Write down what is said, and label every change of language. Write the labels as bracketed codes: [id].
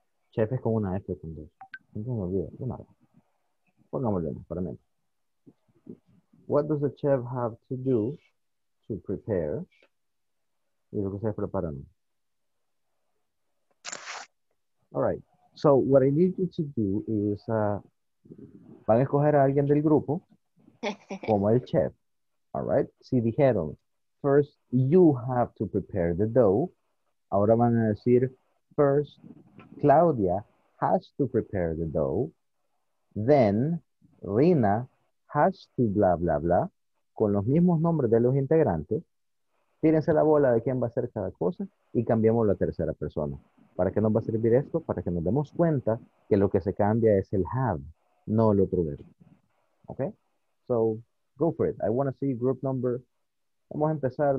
[es] Chef es con una F con dos. No me olvido. No me olvido. Pongámosle, para mí. [en] What does the chef have to do to prepare? [es] Y lo que se preparan. [en] All right. So, what I need you to do is... [es] van a escoger a alguien del grupo como el chef. [en] All right. [es] Si dijeron, [en] first, you have to prepare the dough. [es] Ahora van a decir, [en] first, Claudia has to prepare the dough. Then, Rina has to blah, blah, blah. [es] con los mismos nombres de los integrantes, tírense la bola de quién va a hacer cada cosa y cambiamos la tercera persona. ¿Para qué nos va a servir esto? Para que nos demos cuenta que lo que se cambia es el have, no el otro verbo. [en] ¿Ok? So, go for it. I want to see group number. [es] Vamos a empezar.